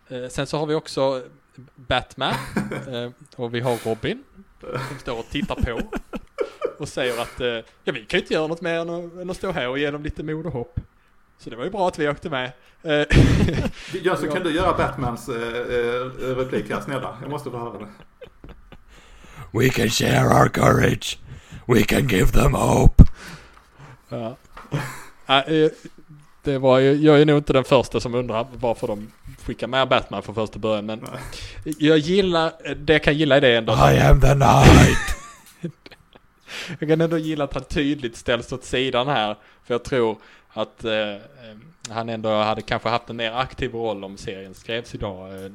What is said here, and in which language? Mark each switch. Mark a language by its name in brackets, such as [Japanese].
[Swedish] Sen så har vi också Batman och vi har Robin som står och tittar på och säger att vi kan inte göra något mer än att stå här och ge dem lite mod och hopp. Så det var ju bra att vi åkte med. Ja, så kan du göra Batmans replik här, snälla. Jag måste få höra det. [English] We can share our courage. We can give them hope. [Swedish] Ja. Det var ju, jag är nog inte den första som undrar varför de skickar med Batman från första början. Men jag gillar, det kan gilla det ändå. [English] I am the night. [Swedish] Jag kan ändå gilla att han tydligt ställs åt sidan här. För jag tror att han ändå hade kanske haft en mer aktiv roll om serien skrevs idag.